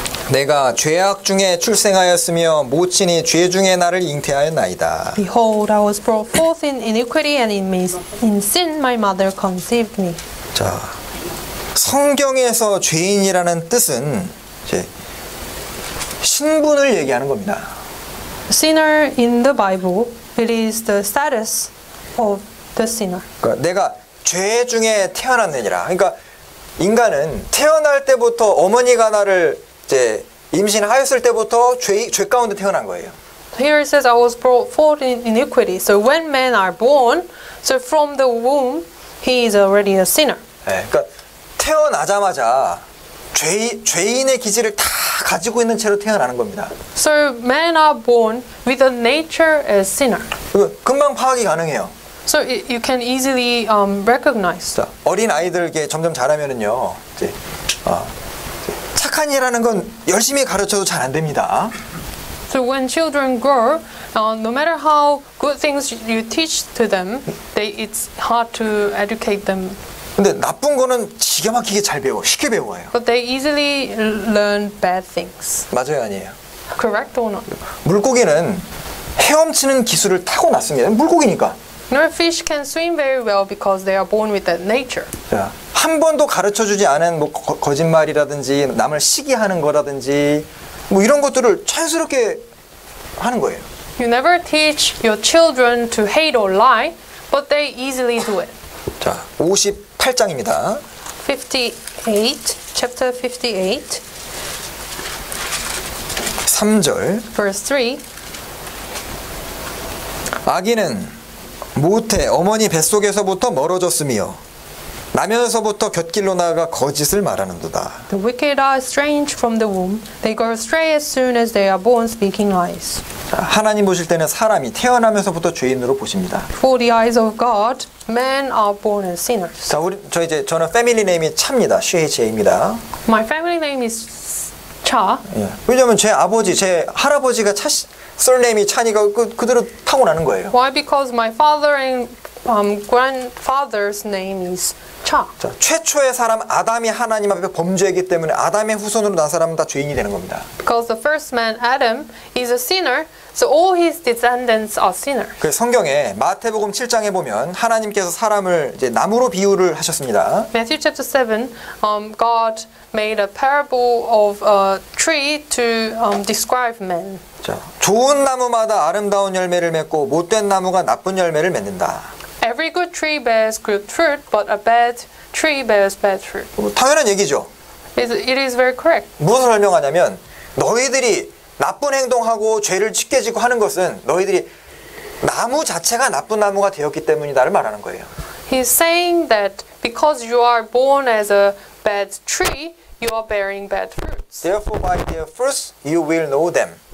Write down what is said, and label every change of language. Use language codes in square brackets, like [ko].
[ko] 내가 죄악 중에 출생하였으며 모친이 죄 중에 나를 잉태하였나이다. [en] Behold, I was brought forth in iniquity and in sin my mother conceived me. [ko] 자, 성경에서 죄인이라는 뜻은 이제 신분을 얘기하는 겁니다. [en] Sinner in the Bible, it is the status of the sinner. [ko] 그러니까 내가 죄 중에 태어났느니라. 그러니까 인간은 태어날 때부터 어머니가 나를 이제 임신하였을 때부터 죄 가운데 태어난 거예요. [en] Here it says I was brought forth in iniquity. So when men are born, so from the womb he is already a sinner. [ko] 예. 그러니까 태어나자마자 죄인의 기질을 다 가지고 있는 채로 태어나는 겁니다. [en] So men are born with a nature as sinner. [ko] 금방 파악이 가능해요. [en] So you can easily recognize. [ko] 자, 어린 아이들게 점점 자라면은요. 이제 착한이라는 건 열심히 가르쳐도 잘 안 됩니다. [en] So when children grow, no matter how good things you teach to them, it's hard to educate them. [ko] 근데 나쁜 거는 기가 막히게 잘 배워, 쉽게 배워요. [en] But they easily learn bad things. [ko] 맞아요, 아니에요? [en] Correct or not? [ko] 물고기는 헤엄치는 기술을 타고 났습니다. 물고기니까. [en] No fish can swim very well because they are born with that nature. [ko] 자, 한 번도 가르쳐 주지 않은 뭐 거짓말이라든지 남을 시기하는 거라든지 뭐 이런 것들을 자연스럽게 하는 거예요. [en] You never teach your children to hate or lie, but they easily do it. [ko] 자, 58장입니다. [en] 58, chapter 58. [ko] 3절. [en] Verse 3. [ko] 악인은 모태 어머니 뱃속에서부터 멀어졌으며 나면서부터 곁길로 나아가 거짓을 말하는도다. [en] The wicked are strange from the womb. They go astray as soon as they are born speaking lies. [ko] 하나님 보실 때는 사람이 태어나면서부터 죄인으로 보십니다. [en] For the eyes of God, men are born as sinners. [ko] 자, 저는 패밀리 네임이 차입니다. 쉐이제입니다. [en] My family name is Cha. [ko] 예. 왜냐면 제 아버지, 제 할아버지가 차 surname이 차니까 그대로 타고 나는 거예요. [en] Why? Because my father and grandfather's name is Cha. [ko] 자, 최초의 사람 아담이 하나님 앞에 범죄했기 때문에 아담의 후손으로 난 사람은 다 죄인이 되는 겁니다. [en] Because the first man Adam is a sinner, so all his descendants are sinners. [ko] 그 성경에 마태복음 7장에 보면 하나님께서 사람을 이제 나무로 비유를 하셨습니다. [en] Matthew chapter 7, God made a parable of a tree to describe man. [ko] 자, 좋은 나무마다 아름다운 열매를 맺고 못된 나무가 나쁜 열매를 맺는다. [en] Every good tree bears good fruit, but a bad tree bears bad fruit. [ko] 당연한 얘기죠. [en] It is very correct. [ko] 무엇을 설명하냐면 너희들이 나쁜 행동하고 죄를 짓게 짓고 하는 것은 너희들이 나무 자체가 나쁜 나무가 되었기 때문이다를 말하는 거예요. [en] He is saying that because you are born as a bad tree, you are bearing bad fruits. Therefore, by their fruits, you will know them.